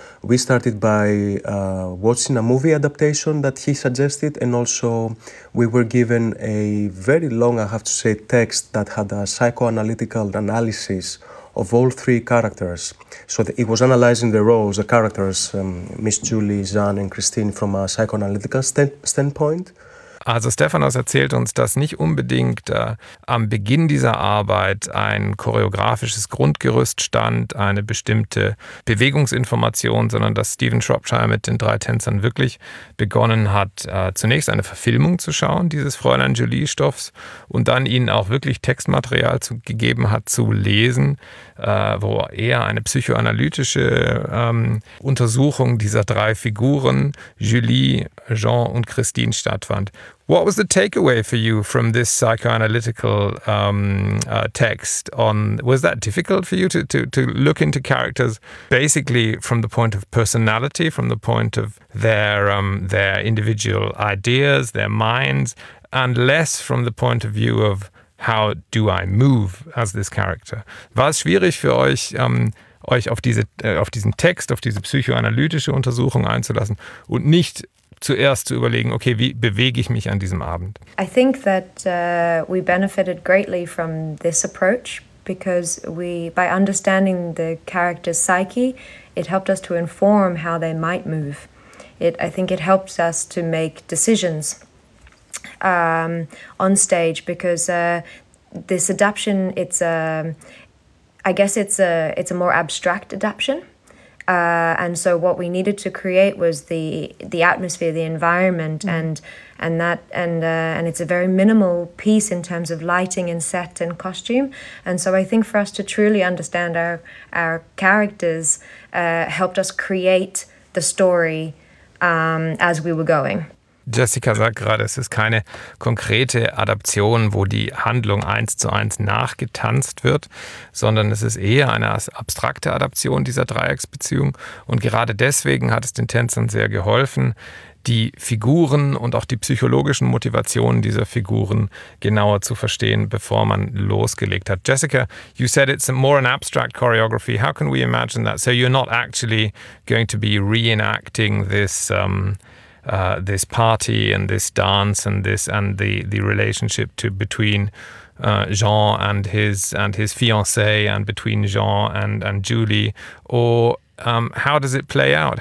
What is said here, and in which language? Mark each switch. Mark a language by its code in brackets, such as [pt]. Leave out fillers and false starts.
[en] We started by watching a movie adaptation that he suggested, and also we were given a very long, I have to say, text that had a psychoanalytical analysis of all three characters. So it was analyzing the roles, the characters, Miss Julie, Jeanne and Christine from a psychoanalytical standpoint. [de] Also Stephanos erzählt uns, dass nicht unbedingt am Beginn dieser Arbeit ein choreografisches Grundgerüst stand, eine bestimmte Bewegungsinformation, sondern dass Stephen Shropshire mit den drei Tänzern wirklich begonnen hat, zunächst eine Verfilmung zu schauen, dieses Fräulein Julie-Stoffs, und dann ihnen auch wirklich Textmaterial gegeben hat zu lesen, wo er eine psychoanalytische Untersuchung dieser drei Figuren, Julie, Jean und Christine, stattfand. [en] What was the takeaway for you from this psychoanalytical text? Was that difficult for you to look into characters basically from the point of personality, from the point of their individual ideas, their minds, and less from the point of view of how do I move as this character? [de] War es schwierig für euch, euch auf diesen Text, auf diese psychoanalytische Untersuchung einzulassen und nicht zuerst zu überlegen, okay, wie bewege ich mich an diesem Abend? [en] I think that we benefited greatly from this approach because by understanding the character's psyche, it helped us to inform how they might move. I think it helped us to make decisions on stage because this adaption, it's a more abstract adaption. And so what we needed to create was the atmosphere, the environment, and it's a very minimal piece in terms of lighting and set and costume. And so I think for us to truly understand our characters helped us create the story as we were going. [de] Jessica sagt gerade, es ist keine konkrete Adaption, wo die Handlung eins zu eins nachgetanzt wird, sondern es ist eher eine abstrakte Adaption dieser Dreiecksbeziehung. Und gerade deswegen hat es den Tänzern sehr geholfen, die Figuren und auch die psychologischen Motivationen dieser Figuren genauer zu verstehen, bevor man losgelegt hat. [en] Jessica, you said it's more an abstract choreography. How can we imagine that? So you're not actually going to be reenacting this this party and this dance and this and the relationship to between Jean and his fiancée and between Jean and Julie, or how does it play out?